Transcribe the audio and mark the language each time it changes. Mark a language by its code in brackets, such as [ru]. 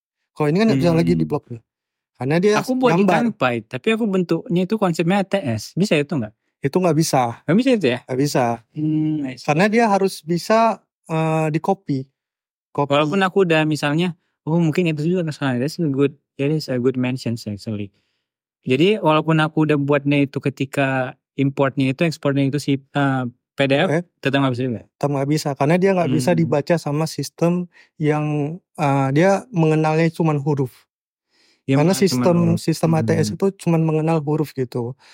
[id] Kalau ini kan nggak bisa lagi di-block. Karena dia aku buat gambar. Di Canva, tapi aku bentuknya itu konsepnya ATS. Bisa itu nggak? Itu nggak bisa. Nggak bisa itu ya? Nggak bisa. Karena dia harus bisa di-copy. Copy. Walaupun aku udah misalnya, oh mungkin itu juga kesalahan. [en] That's a good mention actually. [id] Jadi walaupun aku udah buatnya itu ketika importnya itu, exportnya itu si PDF, tetap nggak bisa juga? Tetap nggak bisa. Karena dia nggak bisa dibaca sama sistem yang dia mengenalnya cuma huruf. Ya, karena sistem sistem ATS itu cuma mengenal huruf gitu.